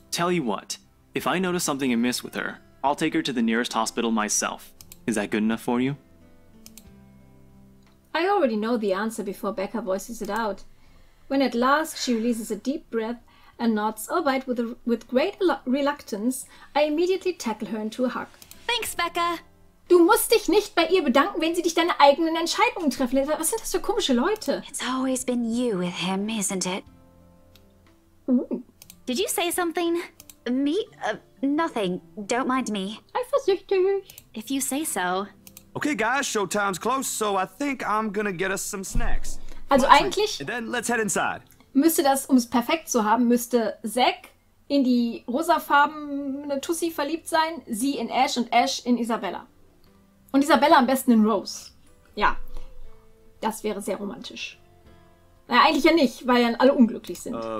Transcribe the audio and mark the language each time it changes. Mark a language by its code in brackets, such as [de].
[en] Tell you what, if I notice something amiss with her, I'll take her to the nearest hospital myself. Is that good enough for you? I already know the answer before Becca voices it out. When at last she releases a deep breath and nods, albeit with great reluctance, I immediately tackle her into a hug. Thanks, Becca! [de] Du musst dich nicht bei ihr bedanken, wenn sie dich deine eigenen Entscheidungen treffen lässt. Was sind das für komische Leute? [en] It's always been you with him, isn't it? Ooh. Did you say something? Me? Nothing. Don't mind me. [de] Eifersüchtig. [en] If you say so. Okay, guys, showtime's close, so I think I'm gonna get us some snacks. [de] Also Plus eigentlich... [en] And then let's head inside. [de] Müsste das, um es perfekt zu haben, müsste Zach in die rosafarbene Tussi verliebt sein, sie in Ash und Ash in Isabella. Und Isabella am besten in Rose. Ja, das wäre sehr romantisch. Naja, eigentlich ja nicht, weil ja alle unglücklich sind.